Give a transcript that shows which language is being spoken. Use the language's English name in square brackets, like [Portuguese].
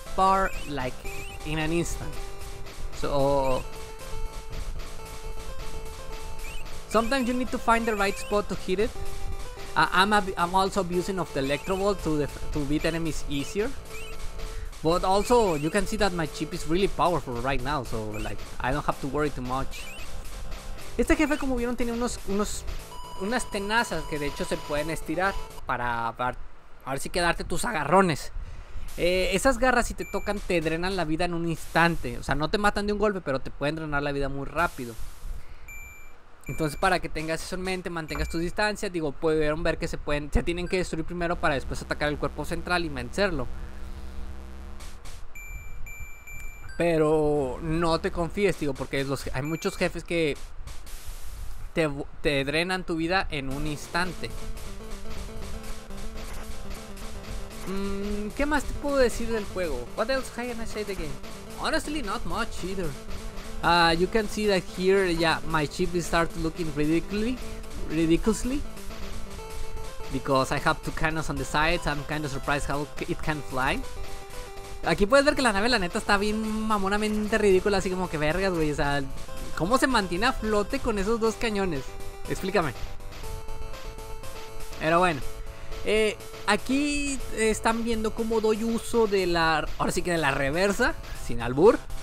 [English] Bar, like in an instant. So sometimes you need to find the right spot to hit it. I'm also abusing of the electro ball to beat enemies easier, but also you can see that my chip is really powerful right now, so like I don't have to worry too much. [Spanish] Este jefe, como vieron, tiene unas tenazas que de hecho se pueden estirar para ver si quedarte tus agarrones. Esas garras, si te tocan, te drenan la vida en un instante. O sea, no te matan de un golpe, pero te pueden drenar la vida muy rápido. Entonces, para que tengas eso en mente, mantengas tu distancia. Digo, pudieron ver que se tienen que destruir primero para después atacar el cuerpo central y vencerlo. Pero no te confíes, digo, porque hay muchos jefes que te drenan tu vida en un instante. ¿Qué más te puedo decir del juego? [English] What else can I say the game? Honestly, not much either. You can see that here, yeah, my ship is start looking ridiculously. Because I have two cannons on the sides, I'm kind of surprised how it can fly. [Spanish] Aquí puedes ver que la nave, la neta, está bien mamonamente ridícula, así como que vergas, güey. O sea, ¿cómo se mantiene a flote con esos dos cañones? Explícame. Pero bueno, aquí están viendo cómo doy uso de la, ahora sí que de la reversa, sin albur.